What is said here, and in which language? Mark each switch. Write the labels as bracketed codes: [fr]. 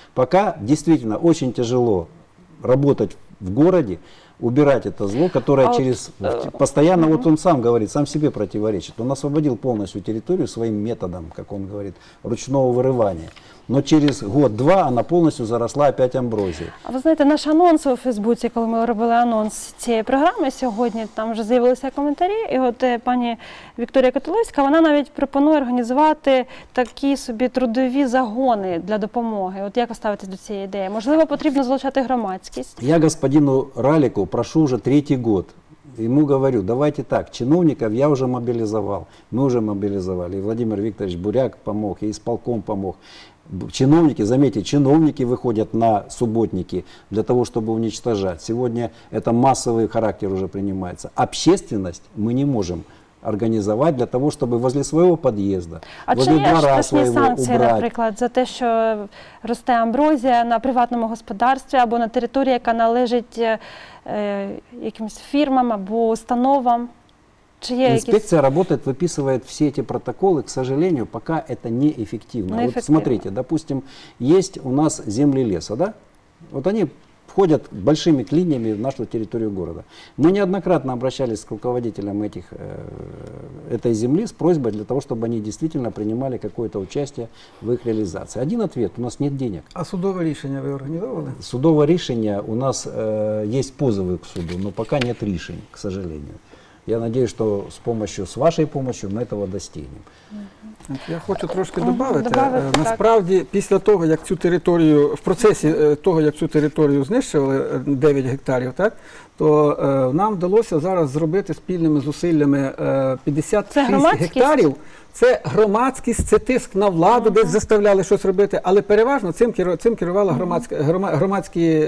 [ru] Пока действительно очень тяжело работать в городе, убирать это зло, которое постоянно, вот он сам говорит, сам себе противоречит. Он освободил полностью территорию своим методом, как он говорит, ручного вырывания. Но через год-два она полностью заросла опять амброзией. А вы знаете, наш анонс в Фейсбуке, когда мы делали анонс этой программы сегодня, там уже появились комментарии, и вот пані Вікторія Котелевська, [uk] вона навіть пропонує організувати такі собі трудові загони для допомоги. От як ви ставитесь до цієї ідеї? Можливо, потрібно залучати громадськість? Я господину Ралику прошу вже 3-й рік. Йому говорю, давайте так, чиновників я вже мобілізував, ми вже мобілізували, і Владимир Вікторович Буряк помог, і ісполком помог. [ru] Чиновники, заметьте, чиновники выходят на субботники для того, чтобы уничтожать. Сегодня это массовый характер уже принимается. Общественность мы не можем [uk] організувати для того, щоб возле свого під'їзду. А чи є штрафні санкції, наприклад, за те, що росте амброзія на приватному господарстві або на території, яка належить якимось фірмам або установам? Чи є інспекція [ru] работает, выписывает все эти протоколы, к сожалению, пока это неэффективно. Вот смотрите, допустим, есть у нас земли леса, да? Вот они входят большими клиньями в нашу территорию города. Мы неоднократно обращались к руководителям этой земли с просьбой для того, чтобы они действительно принимали какое-то участие в их реализации. Один ответ, у нас нет денег. А судовое решение вы организовали? Судовое решение, у нас есть позывы к суду, но пока нет решений, к сожалению. Я надеюсь, что с вашей помощью мы этого достигнем. [uk] Я хочу трошки добавити. Насправді, після того, як цю територію, в процесі того, як цю територію знищили, 9 гектарів, так, то нам вдалося зараз зробити спільними зусиллями 56 гектарів. Це громадськість, це тиск на владу, десь заставляли щось робити, але переважно цим керували громадські активісти.